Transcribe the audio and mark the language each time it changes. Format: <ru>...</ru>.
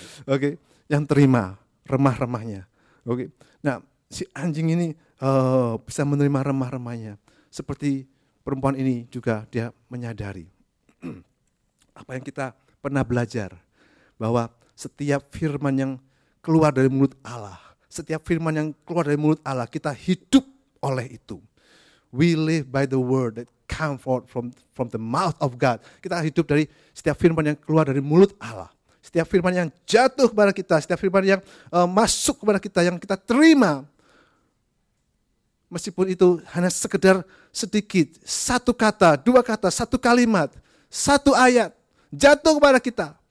<id>Oke, yang terima remah-remahnya. Oke, nah si anjing ini bisa menerima remah-remahnya. Seperti perempuan ini juga dia menyadari apa yang kita pernah belajar, bahwa setiap firman yang keluar dari mulut Allah, setiap firman yang keluar dari mulut Allah, kita hidup oleh itu.</id> <en>We live by the word that come forth from the mouth of God.</en> <id>Kita hidup dari setiap firman yang keluar dari mulut Allah. Setiap firman yang jatuh kepada kita, setiap firman yang masuk kepada kita, yang kita terima. Meskipun itu hanya sekedar sedikit, satu kata, dua kata, satu kalimat, satu ayat, jatuh kepada kita.</id>